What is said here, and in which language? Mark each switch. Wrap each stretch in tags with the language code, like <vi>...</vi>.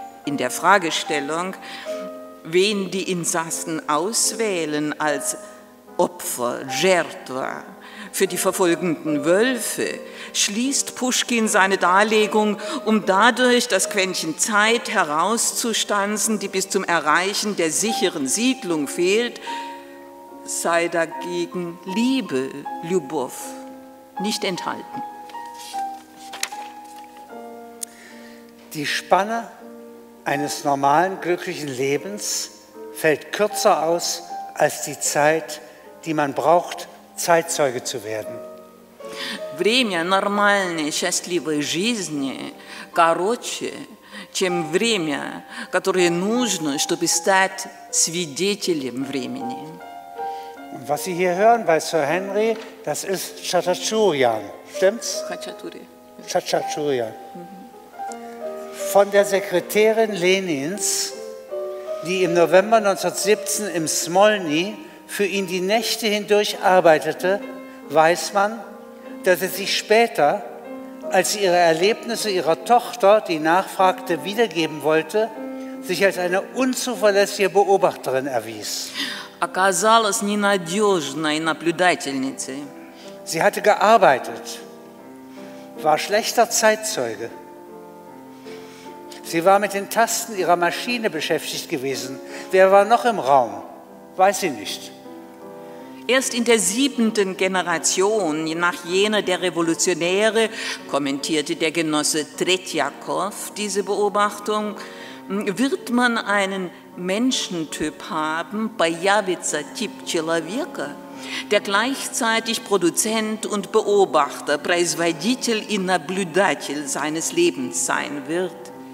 <de>In der Fragestellung, wen die Insassen auswählen als Opfer, Жертва, für die verfolgenden Wölfe, schließt Puschkin seine Darlegung, um dadurch das Quäntchen Zeit herauszustanzen, die bis zum Erreichen der sicheren Siedlung fehlt, sei dagegen Liebe, Любовь, nicht enthalten. Die Spanne eines normalen, glücklichen Lebens fällt kürzer aus als die Zeit, die man braucht, Zeitzeuge zu werden.</de> <ru>Время нормальной счастливой жизни короче, чем время, которое нужно, чтобы стать свидетелем времени.</ru> <de>Und was Sie hier hören bei Sir Henry, das ist Chatachurian, stimmt's? Chatachurian. Von der Sekretärin Lenins, die im November 1917 im Smolny für ihn die Nächte hindurch arbeitete, weiß man, dass er sich später, als sie ihre Erlebnisse ihrer Tochter, die nachfragte, wiedergeben wollte, sich als eine unzuverlässige Beobachterin erwies.</de> <ru>Оказалась ненадежной наблюдательницей.</ru> <de>Sie hatte gearbeitet, war schlechter Zeitzeuge. Sie war mit den Tasten ihrer Maschine beschäftigt gewesen. Wer war noch im Raum? Weiß sie nicht. Erst in der siebenten Generation nach jener der Revolutionäre, kommentierte der Genosse Tretjakow diese Beobachtung, wird man einen Menschentyp haben,</de> <ru>появится тип человека,</ru> <de>der gleichzeitig Produzent und Beobachter,</de> <ru>производитель и наблюдатель</ru> <de>seines Lebens sein wird.</de>